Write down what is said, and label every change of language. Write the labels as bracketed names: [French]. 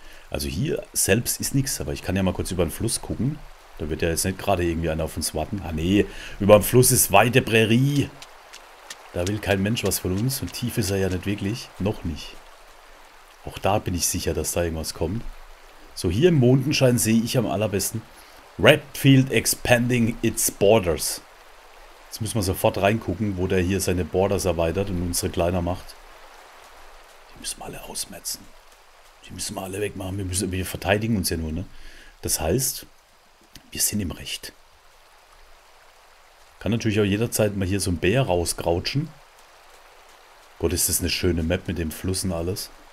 [German] Also hier selbst ist nichts, aber ich kann ja mal kurz über den Fluss gucken. Da wird ja jetzt nicht gerade irgendwie einer auf uns warten. Ah nee, über dem Fluss ist weite Prärie. Da will kein Mensch was von uns und tief ist er ja nicht wirklich. Noch nicht. Auch da bin ich sicher, dass da irgendwas kommt. So, hier im Mondenschein sehe ich am allerbesten. [English] Redfield expanding its borders. [German] Jetzt müssen wir sofort reingucken, wo der hier seine Borders erweitert und unsere kleiner macht. Die müssen wir alle ausmetzen. Die müssen wir alle wegmachen. Wir verteidigen uns ja nur, ne? Das heißt, wir sind im Recht. Kann natürlich auch jederzeit mal hier so ein Bär rausgrautschen. Gott, ist das eine schöne Map mit dem Fluss und alles.